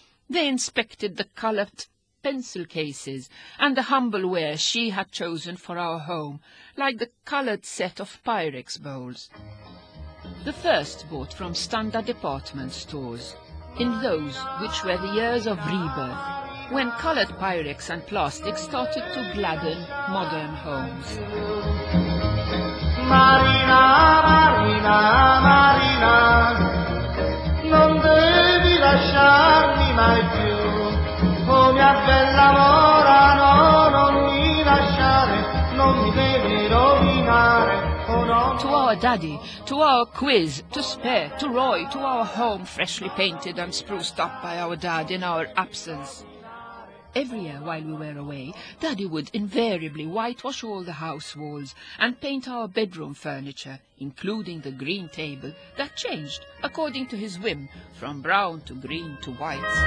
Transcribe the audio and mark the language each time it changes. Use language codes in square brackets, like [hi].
[en] They inspected the colored pencil cases and the humble ware she had chosen for our home, like the colored set of Pyrex bowls. The first bought from standard department stores, in those which were the years of rebirth, when colored Pyrex and plastic started to gladden modern homes. [it] Marina, Marina, Marina, non devi lasciarmi mai più. Oh mia bella mora, no, non mi lasciare, non mi devi rovinare. [en] To our daddy, to our quiz, to spare, to Roy, to our home freshly painted and spruced up by our dad in our absence. Every year while we were away, daddy would invariably whitewash all the house walls and paint our bedroom furniture, including the green table that changed according to his whim from brown to green to white.